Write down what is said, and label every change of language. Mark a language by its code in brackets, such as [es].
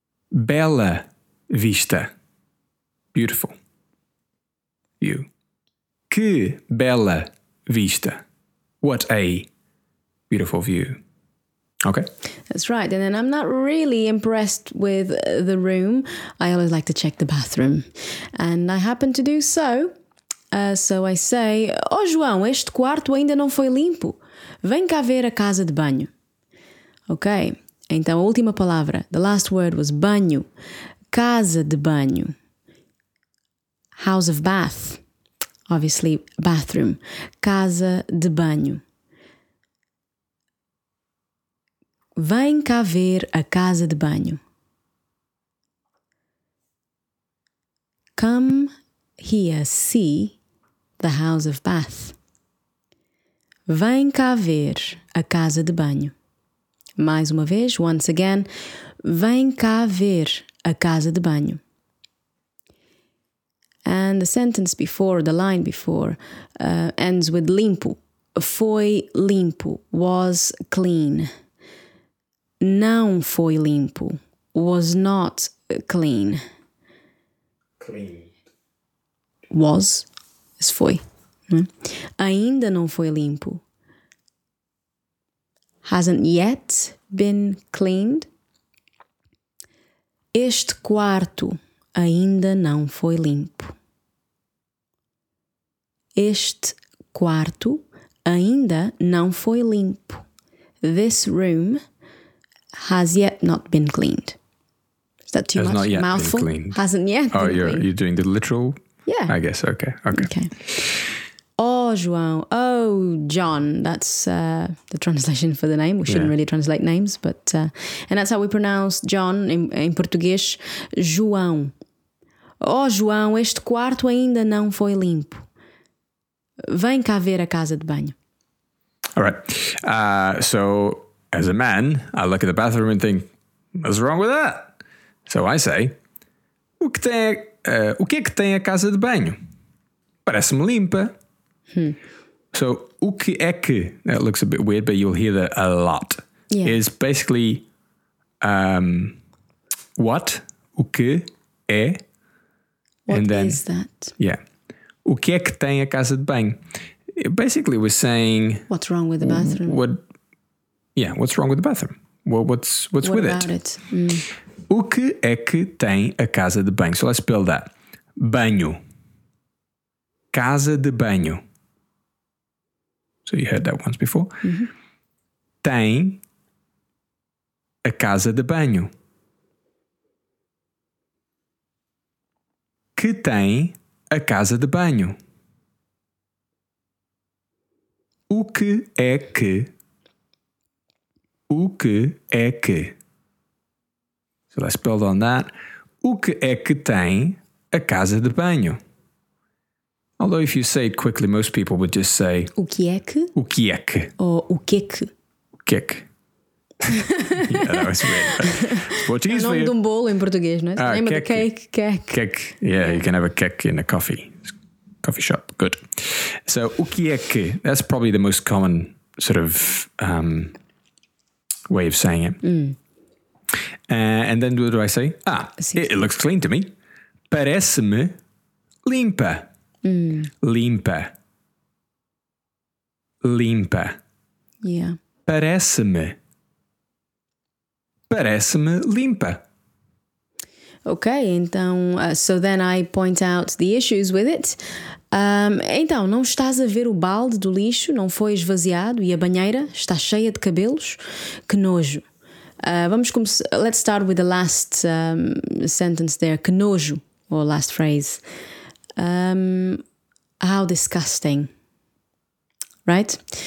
[pt] Bela vista. [en] Beautiful. View. [pt] Que bela vista. [en] What a beautiful view. Okay. That's right. And then I'm not really impressed with the room. I always like to check the bathroom. And I happen to do so. So I say, [pt] oh, João, este quarto ainda não foi limpo. Vem cá ver a casa de banho. Okay. Então a última palavra, [en] the last word was [pt] banho, casa de banho, [en] house of bath, obviously bathroom, [pt] casa de banho. Vem cá ver a casa de banho. [en] Come here see the house of bath. [pt] Vem cá ver a casa de banho. Mais uma vez, [en] once again, [pt] vem cá ver a casa de banho. [en] And the sentence before, the line before, ends with limpo. [pt] Foi limpo, [en] was clean. [pt] Não foi limpo, [en] was not clean. Clean. [pt] Was, isso foi. Ainda não foi limpo. [en] Hasn't yet been cleaned. [pt] Este quarto ainda não foi limpo. Este quarto ainda não foi limpo. [en] This room has yet not been cleaned. Is that too has much? Not yet mouthful? Been cleaned. Hasn't yet been cleaned. Oh, you're doing the literal? Yeah. I guess, okay. Okay. Oh, João. Oh, John. That's the translation for the name. We shouldn't really translate names, but... and that's how we pronounce John in Portuguese. João. [pt] Oh, João, este quarto ainda não foi limpo. Vem cá ver a casa de banho. [en] All right. So, as a man, I look at the bathroom and think, what's wrong with that? So I say, [pt] o que é que tem a casa de banho? Parece-me limpa. Hmm. [en] So, [pt] o que é que, [en] that looks a bit weird, but you'll hear that a lot, is basically, what, [pt] o que é, [en] what and then, is that? Yeah. [pt] O que é que tem a casa de banho? [en] Basically, we're saying... What's wrong with the bathroom? What's wrong with the bathroom? Well, what's what with about it? [pt] O que é que tem a casa de banho? [en] So let's spell that. Banho. Casa de banho. So you heard that once before. Mm-hmm. [pt] Tem a casa de banho. Que tem a casa de banho. O que é que... O que é que? [en] So let's build on that. [pt] O que é que tem a casa de banho? [en] Although if you say it quickly, most people would just say... [pt] O que é que? O que é que? Or o que é que? O que é que? [en] Yeah, that was weird. [pt] Portuguese. É o nome de bolo em português, não é? [en] Ah, name of the cake, cake. Cake. Yeah, you can have a cake in a coffee shop. Good. So [pt] o que é que? [en] That's probably the most common sort of... way of saying it. And then what do I say? Ah, it looks clean to me. [pt] Parece-me limpa. Limpa. Limpa. [en] Yeah. [pt] Parece-me. Parece-me limpa. [en] Okay, então, so then I point out the issues with it. [pt] Então, não estás a ver o balde do lixo, não foi esvaziado e a banheira está cheia de cabelos? Que nojo. [en] Let's start with the last sentence there. [pt] Que nojo, [en] or last phrase. How disgusting. Right?